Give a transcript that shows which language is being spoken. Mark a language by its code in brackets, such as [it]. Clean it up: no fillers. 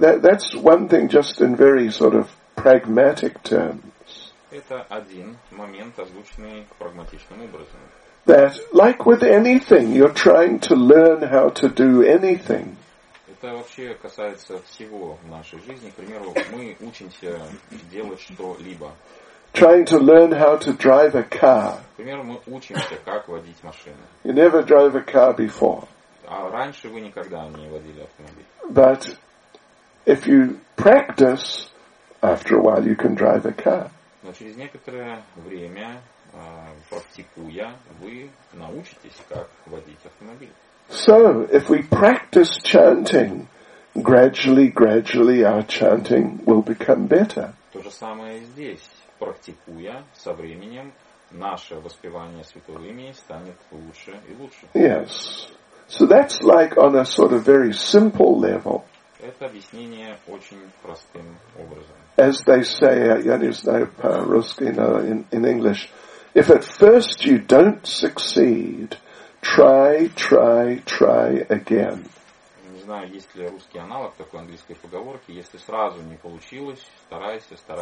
[en] That's one thing just in very sort of pragmatic terms. [ru] Это один момент, озвученный прагматичным образом. [en] That, like with anything, you're trying to learn how to do anything. [ru] Это вообще касается всего в нашей жизни. К примеру, мы учимся делать что-либо. [en] Trying to learn how to drive a car. [ru] К примеру, мы учимся, как водить машину. [en] You never drive a car before. [ru] А раньше вы никогда не водили автомобиль. [en] But if you practice, after a while you can drive a car. [ru] Но через некоторое время, практикуя, вы научитесь, как водить автомобиль. [en] So, if we practice chanting, gradually our chanting will become better. [ru] То же самое и здесь. Практикуя, со временем наше воспевание святого имени станет лучше и лучше. [en] Yes. So that's like on a sort of very simple level. [ru] Это объяснение очень простым образом. [en] As they say, [ru] я не знаю по-русски, но [en] in English, if at first you don't succeed, Try again. [ru] Не знаю, есть ли русский аналог такой английской поговорки. Если сразу не получилось, старайся.